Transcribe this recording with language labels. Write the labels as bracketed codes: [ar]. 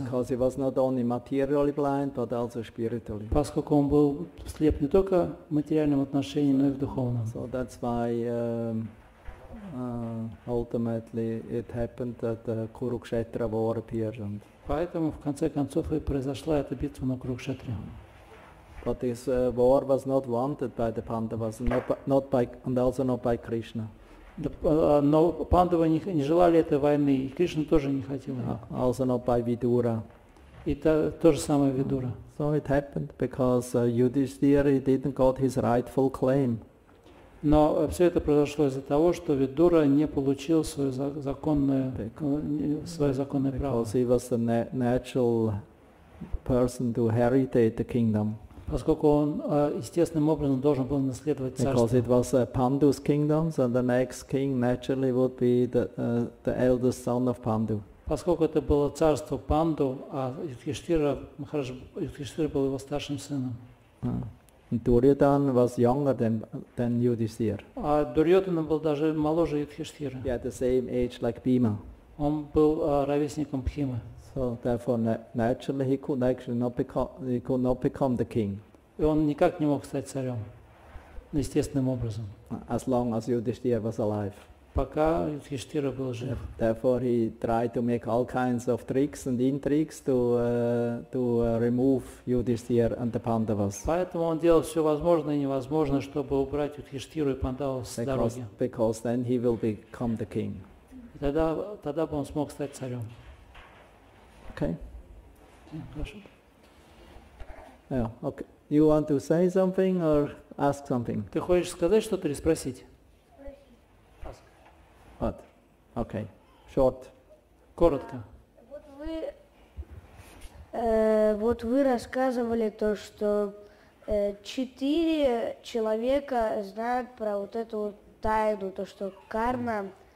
[en] Because he was not only materially blind, but also spiritually. [ru] Поскольку он был слеп не только в материальном отношении, но и в духовном. [en] So that's why ultimately it happened that the Kurukshetra war appeared. [ru] Поэтому в конце концов и произошла эта битва на Курукшетре. [en] But this war was not wanted by the Pandavas, not by Krishna. [ru] Но Пандавы не желали этой войны, и Кришна тоже не хотел. [en] Also not by Vidura. [ru] И то же самое Vidura. [en] So it happened because Yudhishthira didn't got his rightful claim. [ru] Но все это произошло из-за того, что Vidura не получил свое законное право. [en] Because he was the natural person to inherit the kingdom. [ru] Поскольку он естественным образом должен был наследовать царство. [en] Because it was a Pandu's kingdom, so the next king naturally would be the eldest son of Pandu. [ru] Поскольку это было царство Панду, а Юдхиштхира был его старшим сыном. [en] Duryodhan was younger than Yudhishthira. [ru] А Дурьотхана был даже моложе Юдхиштхира. [en] He had the same age like Bhima. [ru] Он был ровесником Бхимы. [en] So therefore, naturally, he could actually not become the king. [ru] И он никак не мог стать царем естественным образом. [en] As long as Yudhishthira was alive. [ru] Пока Юдхиштхира был жив. [en] Therefore, he tried to make all kinds of tricks and intrigues to remove Yudhishthira and the Pandavas. [ru] Поэтому он делал все возможное и невозможное, чтобы убрать Юдхиштхиру и Пандаву с дороги. [en] Because then he will become the king. [ru] Тогда бы он смог стать царем. [en] Okay. [ru] Хорошо. [en] Yeah, okay. You want to say something or ask something? [ru] Ты хочешь сказать что-то или спросить? [en] Ask. What? Okay. Short. [ru] Коротко. Вот вы рассказывали то, что четыре человека знают про вот эту вот тайну, то, что карма.